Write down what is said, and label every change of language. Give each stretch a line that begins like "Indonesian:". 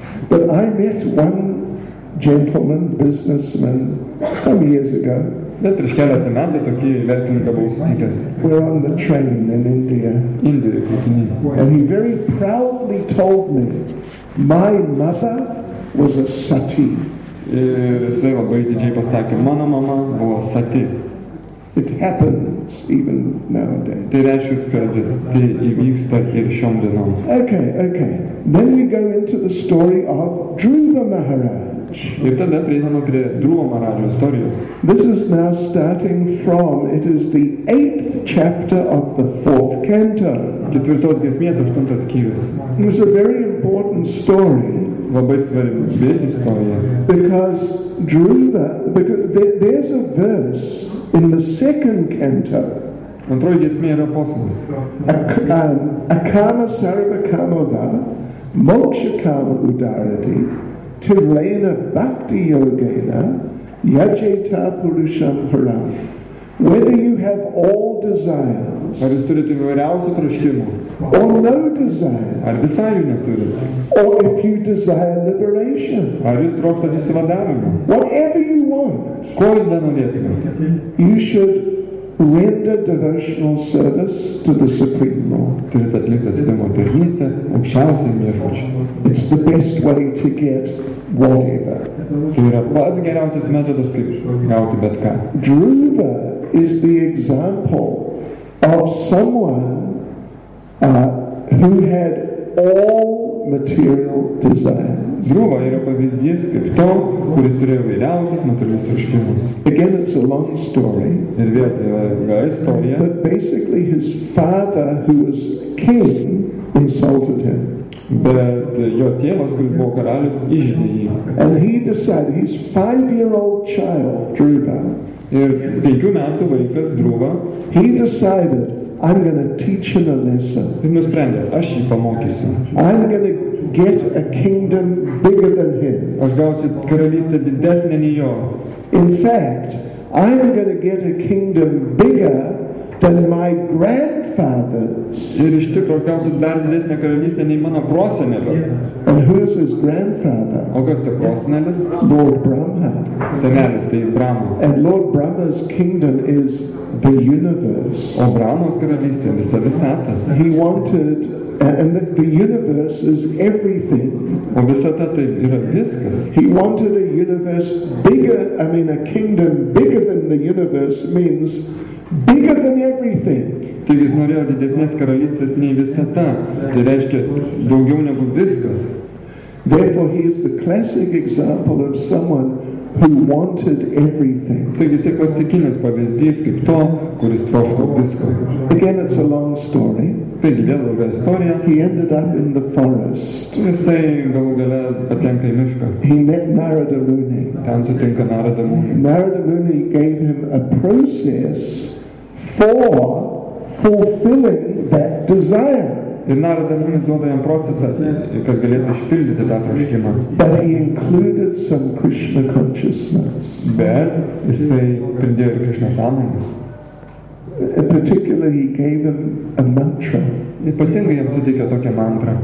English: But I met one gentleman, businessman, some years ago.
Lithuanian: Bet prieš keletą metų tokį verslininką buvau sutikęs.
English: We're on the train in India.
Lithuanian: Indijoje, traukiny.
English: And he very proudly told me, my mother was a sati.
Lithuanian: Ir jisai labai didžiai pasakė, mano mama buvo sati.
English: It happens even nowadays.
Lithuanian: Tai reiškia, kad tai įvyksta ir šiom dienom.
English: Okay. Then we go into the story of Dhruva Maharaj.
Lithuanian: Ir tada prieiname prie Dhruva Maharaja istorijos.
English: This is now starting from, it is the 8th chapter of the 4th canto.
Lithuanian: Ketvirtos giesmės, 8 skyrius.
English: It was a very important story.
Lithuanian: Labai svarbi istorija.
English: Because Dhruva, there's a verse in the 2nd canto.
Lithuanian: Antroji giesmė yra posmas.
Sanskrit: Akama sarvakamava moksha kama udarati Tirlena Bhakti Yogena Yajeta Purusham Haram.
English: Whether you have all desires or no desires, or if you desire liberation, whatever you want, you should render devotional service to the Supreme Lord. It's the best way to get Vadeva.
Lithuanian: Tai yra pats geriausias metodas, kaip gauti bet ką.
English: Dhruva is the example of someone who had all material desires.
Lithuanian: Dhruva yra pavyzdys kaip to, kuris turėjo vėliausias materialius troškimus.
English: Again, it's a long story.
Lithuanian: Ir vėl tai yra ilga istorija.
English: But basically his father, who was king, insulted him.
Lithuanian: Bet jo tėvas, kuris buvo karalius, įžeidė jį.
English: And he decided, his five-year-old child, Dhruva,
Lithuanian: ir 5 metų vaikas, Dhruva,
English: he decided, I'm going to teach him a lesson.
Lithuanian: Ir nusprendė, aš jį pamokysiu.
English: I'm going to get a kingdom bigger than him.
Lithuanian: Aš gausiu karalystę didesnę nei jo.
English: In fact, I'm going to get a kingdom bigger than my grandfather's.
Lithuanian: Ir iš tikrųjų, aš gausiu dar didesnę karalystę nei mano prosenelio.
English: And who is his grandfather?
Lithuanian: O kas tai prosenelis?
English: Lord Brahma.
Lithuanian: Senelis, tai Brahma.
English: And Lord Brahma's kingdom is the universe.
Lithuanian: O Brahmos karalystė visa visata.
English: He wanted, and the universe is everything.
Lithuanian: O visata tai yra viskas.
English: He wanted a universe bigger, a kingdom bigger than the universe means bigger than everything.
Lithuanian: Tai jis norėjo didesnės karalystės nei visata. Tai reiškia daugiau negu viskas.
English: Therefore he is the classic example of someone who wanted everything.
Lithuanian: Tai jis klasikinis pavyzdys kaip to, kuris troško visko.
English: Again, it's a long story.
Lithuanian: Taigi vėl ilga istorija.
English: He ended up in the forest.
Lithuanian: Jisai galų gale patenka į mišką.
English: He met Narada Muni.
Lithuanian: Ten sutinka Narada Muni.
English: Narada Muni gave him a process for fulfilling that desire.
Lithuanian: Ir Narada Muni duoda jam procesą, kad galėtų išpildyti tą troškimą.
English: But he included some Krishna consciousness.
Lithuanian: Bet jisai pridėjo ir Krishna sąmonės.
English: Particularly he gave him a mantra.
Lithuanian: Ypatingai jam suteikė tokią mantrą.